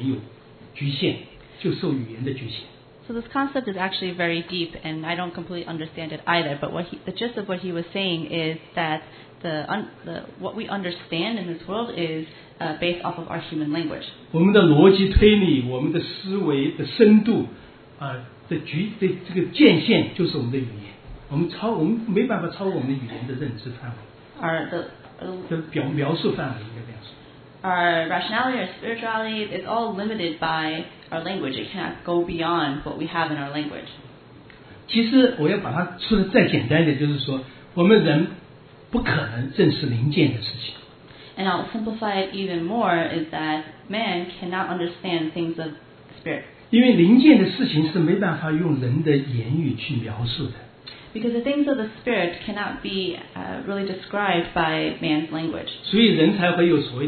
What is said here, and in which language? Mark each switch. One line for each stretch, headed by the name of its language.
Chinese: 我们的语言就是我们认知的边界啊，这个里面有很深的道理了，我们没法在这儿讲，我也不一定完全懂。他就说，你认识我们人，不管是谁，你的认识的范围就是跟你的语言有局限，就受语言的局限。
English: So this concept is actually very deep, and I don't completely understand it either. But what he, the gist of what he was saying is that what we understand in this world is based off of our human language.
Chinese: 我们的逻辑推理，我们的思维的深度，这局这个界限就是我们的语言。我们没办法超过我们语言的认知范围。
English: Our rationality, our spirituality, it's all limited by our language. It cannot go beyond what we have in our language.
Chinese: 其实我要把它说的再简单一点，就是说我们人不可能认识零件的事情。
English: And I'll simplify it even more is that man cannot understand things of spirit.
Chinese: 因为灵界的事情是没办法用人的言语去描述的。
English: Because the things of the spirit cannot be really described by man's language.